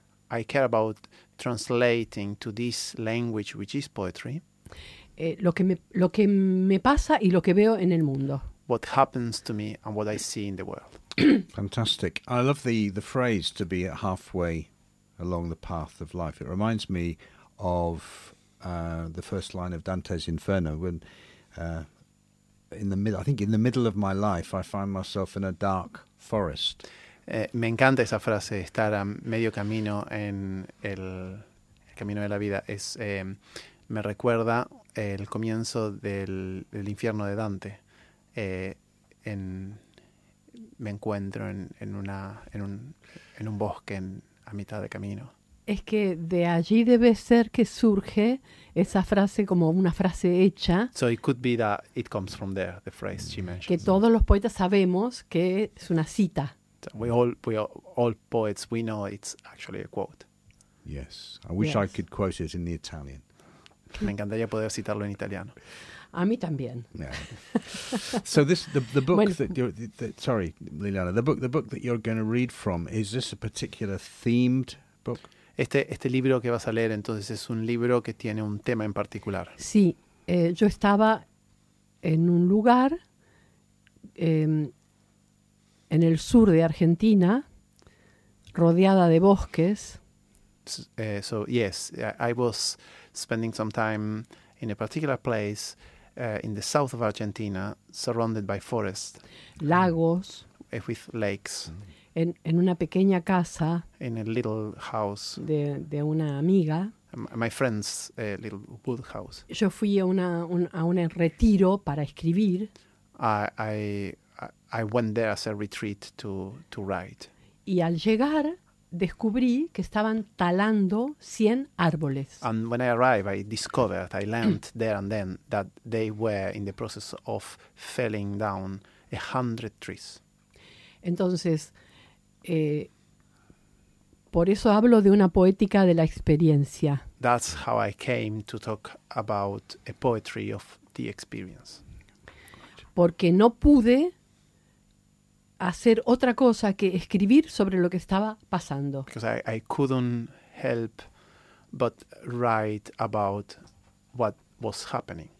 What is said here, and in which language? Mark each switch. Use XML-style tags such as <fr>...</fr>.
<en>I care about translating to this language, which is poetry.</en> <es>Lo que me pasa y lo que veo en el mundo.</es> <en>What happens to me and what I see in the world. Fantastic. I love the phrase to be at halfway along the path of life. It reminds me of the first line of Dante's Inferno when in the middle of my life I find myself in a dark forest.</en> <es>Me encanta esa frase, estar a medio camino en el camino de la vida. Es me recuerda el comienzo del infierno de Dante. Me encuentro en un bosque a mitad de camino. Es que de allí debe ser que surge esa frase como una frase hecha.</es> <en>So it could be that it comes from there, the phrase she mentioned.</en> <es>Que todos los poetas sabemos que es una cita.</es> <en>We all poets, we know it's actually a quote. Yes, I wish I could quote it in the Italian.</en> <es>Me encantaría poder citarlo en italiano. A mí también.</es> <en>Yeah. So this the book</en> <es>bueno,</es> <en>that you're sorry, Liliana, the book that you're going to read from, is this a particular themed book?</en> <es>Este libro que vas a leer entonces es un libro que tiene un tema en particular. Sí, yo estaba en un lugar en el sur de Argentina, rodeada de bosques.</es> <en>So yes, I was spending some time in a particular place in the south of Argentina, surrounded by forests,</en> <es>lagos,</es> <en>with lakes,</en> <es>en una pequeña casa,</es> <en>in a little house,</en> <es>de una amiga,</es> <en>my friend's little wood house.</en> <es>Yo fui a un retiro para escribir.</es> <en>I went there as a retreat to write.</en> <es>Y al llegar descubrí que estaban talando 100 árboles.</es> <en>And when I arrived, I learned there and then that they were in the process of felling down 100 trees.</en> <es>Entonces, por eso hablo de una poética de la experiencia.</es> <en>That's how I came to talk about a poetry of the experience.</en> <es>Porque no pude hacer otra cosa que escribir sobre lo que estaba pasando.</es> <en>Because I couldn't help but write about what was happening.</en>